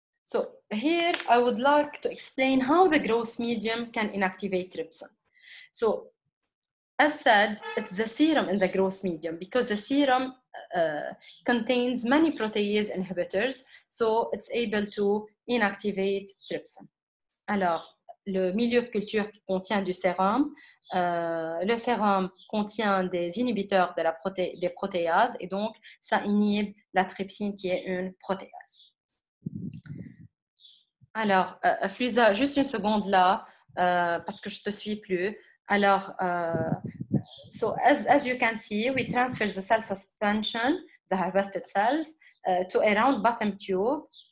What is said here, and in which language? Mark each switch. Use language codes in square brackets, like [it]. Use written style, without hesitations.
[en] So here I would like to explain how the growth medium can inactivate trypsin. So as said, it's the serum in the growth medium because the serum contains many protease inhibitors, so it's able to inactivate trypsin. [fr] Alors, le milieu de culture contient du sérum. Le sérum contient des inhibiteurs de la des protéases et donc ça inhibe la trypsine qui est une protéase. Alors, Flusa, juste une seconde là, parce que je ne te suis plus. [en] Alors, so as you can see, we transfer the cell suspension, the harvested cells, to a round bottom tube.